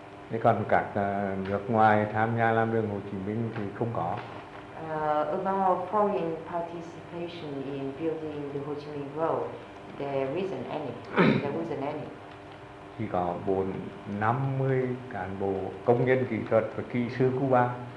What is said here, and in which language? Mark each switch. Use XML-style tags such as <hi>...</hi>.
<vi>Thế còn các nước ngoài tham gia làm đường Hồ Chí Minh thì không có.</vi> <en>About foreign participation in building the Ho Chi Minh Road, there wasn't any.</en> <vi>Chỉ có 50 cán bộ công nhân kỹ thuật và kỹ sư Cuba.</vi>